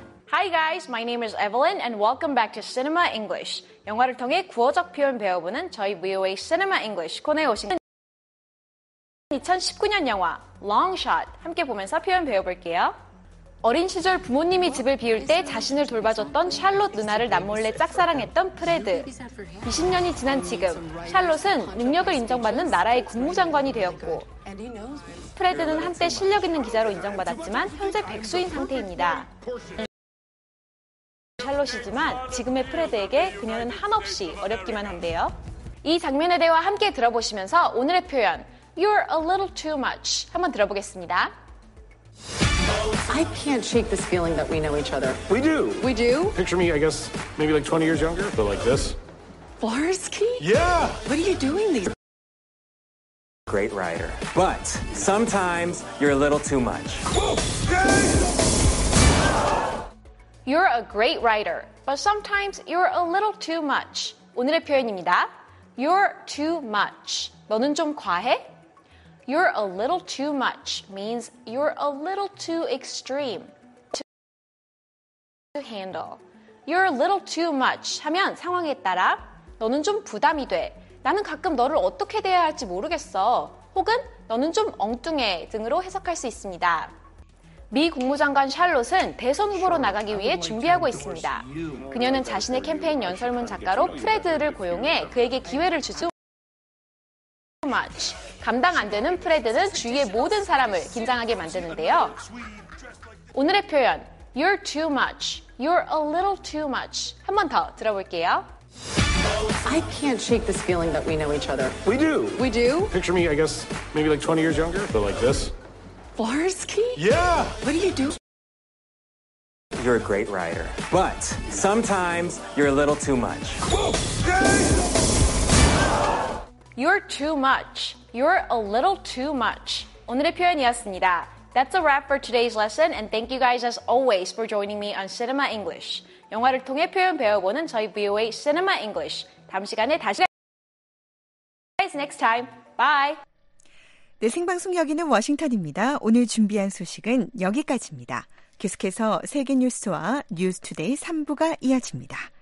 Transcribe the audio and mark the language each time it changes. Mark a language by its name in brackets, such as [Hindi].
[Korean] 안녕하세요. [English] My name is Evelyn and welcome back to Cinema English. [Korean] 영화를 통해 구어적 표현 배워보는 저희 VOA Cinema English 코너에 오신 2019년 영화 Long Shot 함께 보면서 표현 배워볼게요. 어린 시절 부모님이 집을 비울 때 자신을 돌봐줬던 샬롯 누나를 남몰래 짝사랑했던 프레드. 20년이 지난 지금 샬롯은 능력을 인정받는 나라의 국무장관이 되었고 프레드는 한때 실력 있는 기자로 인정받았지만 현재 백수인 상태입니다. 샬롯이지만 지금의 프레드에게 그녀는 한없이 어렵기만 한데요. 이 장면에 대화 함께 들어보시면서 오늘의 표현 [English] You're a little too much [Korean] 한번 들어보겠습니다. [English] I can't shake this feeling that we know each other. We do. We do? Picture me, I guess, maybe like 20 years younger, but like this. Varsky? Yeah! What are you doing these days? Great writer. But sometimes you're a little too much. You're a great writer, but sometimes you're a little too much. [Korean] 오늘의 표현입니다. [English] You're too much. [Korean] 너는 좀 과해? [English] You're a little too much means you're a little too extreme to handle. You're a little too much [Korean] 하면 상황에 따라 너는 좀 부담이 돼. 나는 가끔 너를 어떻게 대해야 할지 모르겠어. 혹은 너는 좀 엉뚱해 등으로 해석할 수 있습니다. 미 국무장관 샬롯은 대선 후보로 나가기 위해 준비하고 있습니다. 그녀는 자신의 캠페인 연설문 작가로 프레드를 고용해 그에게 기회를 주죠. [English] Much. [Korean] 감당 안 되는 프레드는 주위의 모든 사람을 긴장하게 만드는데요. 오늘의 표현, [English] You're too much. You're a little too much. [Korean] 한 번 더 들어볼게요. [English] I can't shake this feeling that we know each other. We do. We do? Picture me, I guess, maybe like 20 years younger, but like this. Varsky? Yeah! What do you do? You're a great writer. But sometimes you're a little too much. You're too much. You're a little too much. [Korean] 오늘의 표현이었습니다. [English] That's a wrap for today's lesson, and thank you guys as always for joining me on Cinema English. [Korean] 영화를 통해 표현 배워보는 저희 VOA Cinema English. 다음 시간에 다시 뵙겠습니다. [English] See you guys next time. Bye. [Korean] 네, 생방송 여기는 워싱턴입니다. 오늘 준비한 소식은 여기까지입니다. 계속해서 세계 뉴스와 뉴스 투데이 3부가 이어집니다.